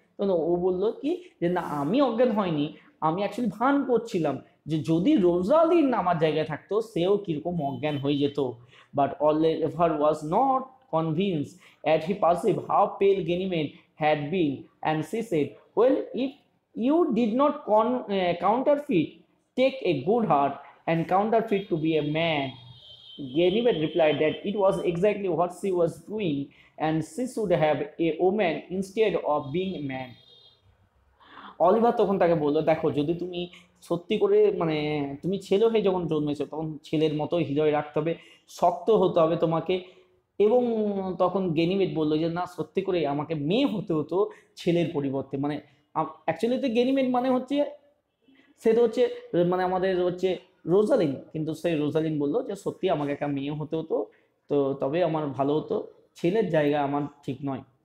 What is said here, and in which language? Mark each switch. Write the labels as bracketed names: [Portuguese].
[Bangla] তো ও বললো কি যে না আমি অজ্ঞান হয়নি, আমি অ্যাকচুয়ালি ভান করছিলাম যে যদি রোজালিন আমার জায়গায় থাকতো সেও কিরকম অজ্ঞান হয়ে যেত। [English] But Oliver was not convince at he perceive how pale Ganymede had been and she said well if you did not counterfeit take a good heart and counterfeit to be a man. Ganymed replied that it was exactly what she was doing and she should have a woman instead of being a man. [Bangla] Oliver তখন তাকে বললো, দেখো যদি তুমি সত্যি করে মানে তুমি ছেলে হয়ে যখন জন্মেছো তখন ছেলের মতো হৃদয় রাখতে হবে, শক্ত হতে হবে তোমাকে। এবং তখন গেনিমেট বললো যে না সত্যি করে আমাকে মেয়ে হতে হতো ছেলের পরিবর্তে, মানে অ্যাকচুয়ালি তো গেনিমেট মানে হচ্ছে সে তো হচ্ছে মানে আমাদের হচ্ছে রোজালিন, কিন্তু সেই রোজালিন বললো যে সত্যি আমাকে একটা মেয়ে হতে হতো তো তবে আমার ভালো হতো, ছেলের জায়গা আমার ঠিক নয়।